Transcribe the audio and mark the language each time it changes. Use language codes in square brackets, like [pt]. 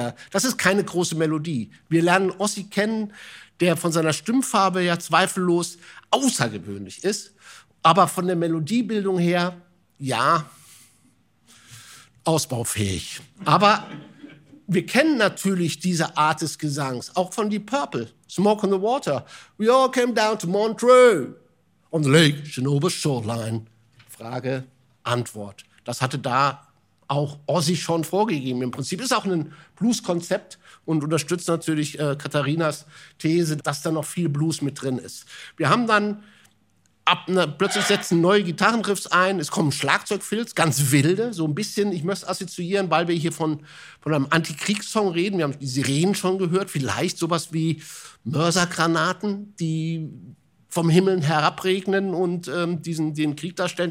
[de] Das ist keine große Melodie. Wir lernen Ossi kennen, der von seiner Stimmfarbe ja zweifellos außergewöhnlich ist. Aber von der Melodiebildung her, ja, ausbaufähig. Aber wir kennen natürlich diese Art des Gesangs, auch von Deep Purple, Smoke on the Water. [en] We all came down to Montreux on the lake, Genova Shoreline. [de] Frage, Antwort. Das hatte da auch Ossi schon vorgegeben. Im Prinzip ist auch ein Blues-Konzept und unterstützt natürlich Katharinas These, dass da noch viel Blues mit drin ist. Wir haben dann plötzlich setzen neue Gitarrenriffs ein, es kommen Schlagzeugfills, ganz wilde, so ein bisschen, ich möchte assoziieren, weil wir hier von einem Antikriegssong reden, wir haben die Sirenen schon gehört, vielleicht sowas wie Mörsergranaten, die vom Himmel herabregnen und den Krieg darstellen.